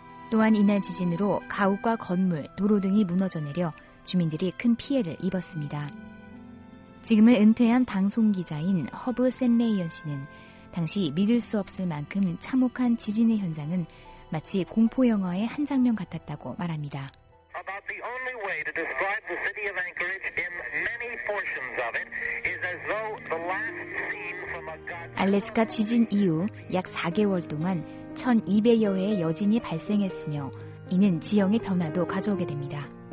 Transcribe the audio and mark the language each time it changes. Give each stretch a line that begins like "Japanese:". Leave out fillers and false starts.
Korean: 또한 이날 지진으로 가옥과 건물, 도로 등이 무너져 내려 주민들이 큰 피해를 입었습니다. 지금은 은퇴한 방송기자인 허브 샌레이언 씨는 당시 믿을 수 없을 만큼 참혹한 지진의 현장은 마치 공포 영화의 한 장면 같았다고 말합니다.
English: About the only way to describe the city of Anchorage in many portions of it is as though the last scene from a god.
Korean: 알래스카 지진 이후 약 4개월 동안 1200여 회의 여진이 발생했으며 이는 지형의 변화도 가져오게 됩니다.